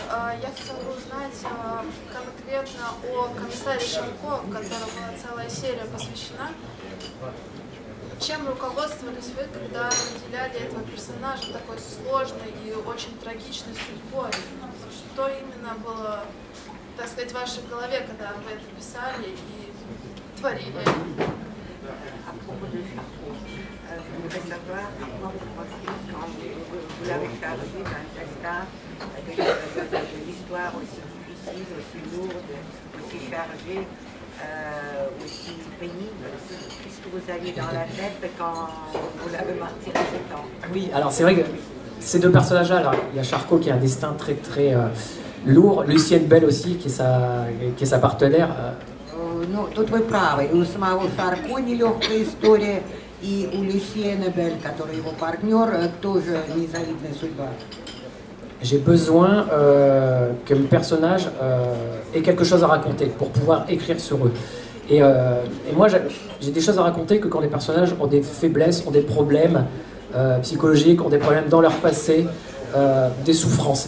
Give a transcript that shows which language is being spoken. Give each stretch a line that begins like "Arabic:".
Russian: Я хотела узнать конкретно о комиссаре Шамко, которому была целая серия посвящена. Чем руководствовались вы, когда выделяли этого персонажа такой сложной и очень трагичной судьбой? Что именно было, так сказать, в вашей голове, когда вы это писали и творили?
French: Je voudrais savoir comment vous pensez quand vous l'avez chargé d'un castard avec une histoire aussi difficile, aussi lourde, aussi chargée, aussi pénible. Qu'est-ce que vous aviez dans la tête quand vous l'avez martyrisé tant? Oui, alors c'est vrai que ces deux personnages-là, alors, il y a Charcot qui a un destin très très lourd, Lucienne Belle aussi qui est sa partenaire.
Russian: Ну, тут вы правы, и у самого Шарко нелегкая история, и у Люси Эннебель, который его партнер, тоже незавидная судьба.
French: J'ai besoin que mes personnages aient quelque chose à raconter pour pouvoir écrire sur eux. Et moi, j'ai des choses à raconter que quand les personnages ont des faiblesses, ont des problèmes psychologiques, ont des problèmes dans leur passé, des souffrances.